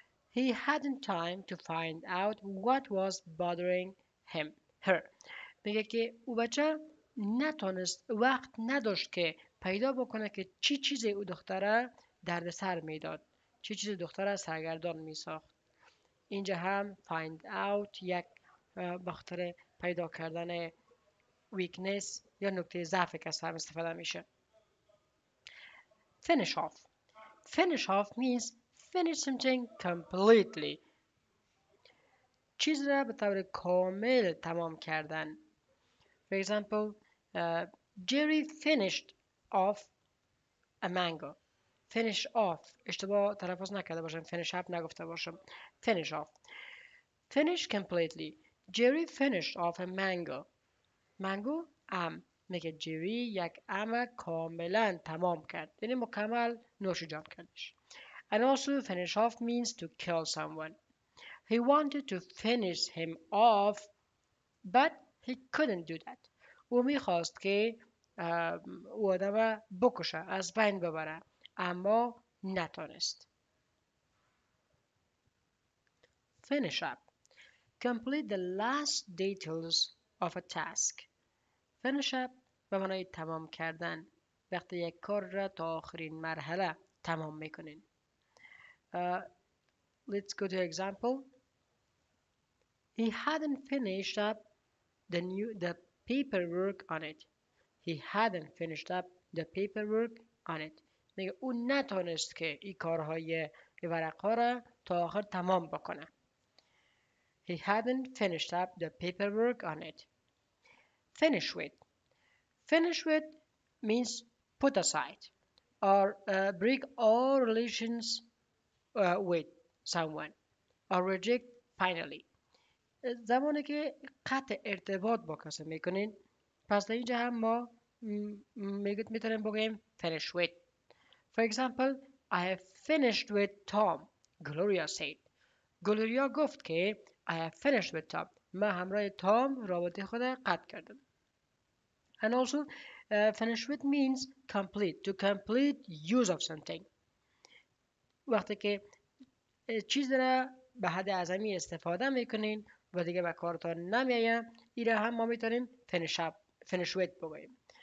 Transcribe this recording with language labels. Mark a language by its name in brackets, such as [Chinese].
[English] He hadn't time to find out what was bothering him. Her. [Persian] میگه که او بچه نتونست وقت نداشت که پیدا بکنه که چی چیزی او دختره درد سر میداد. چی چیز دختر سرگردان می ساخت. اینجا هم find out یک بخاطر پیدا کردن weakness یا نکته ضعف کسی هم استفاده میشه. [English] Finish off. Finish off means finish something completely. [Persian] چیز را به طور کامل تمام کردن. [English] For example, Jerry finished off a mango. Finish off. [Persian] اشتباه تلفظ نکرده باشم. Finish up نگفته باشم. Finish off. [English] Finish completely. Jerry finished off a mango. [Persian] Mango ام. میگه جری یک ام کاملا تمام کرد. یعنی مکمل نوشجان کردش. [English] And also finish off means to kill someone. He wanted to finish him off but he couldn't do that. [Persian] او میخواست که او آدم بکشه. از بین ببره. اما نتونست. [English] Finish up. Complete the last details of a task. [Persian] Finish up به معنای تمام کردن. وقتی یک کار را تا آخرین مرحله تمام میکنین. [English] Let's go to example. He hadn't finished up the paperwork on it. [Persian] میگه او نتونست که این کارهای ورقا را تا آخر تمام بکنه. [English] He hadn't finished up the paperwork on it. Finish with. Finish with means put aside or break all relations with someone or reject finally. [Persian] زمانی که قطع ارتباط با کسی میکنین پس در اینجا هم ما میتونیم بگیم finish with. [English] For example, I have finished with Tom, Gloria said. Gloria [Persian] گفت که [English] I have finished with Tom. [Persian] من همراه تام رابطه خود قطع کردم. [English] And also, finish with means complete, to complete use of something. [Persian] وقتی که چیز را به حد اعظمی استفاده میکنین و دیگه به کارتان نمیاین ایره هم ما میتونیم finish with بگویم.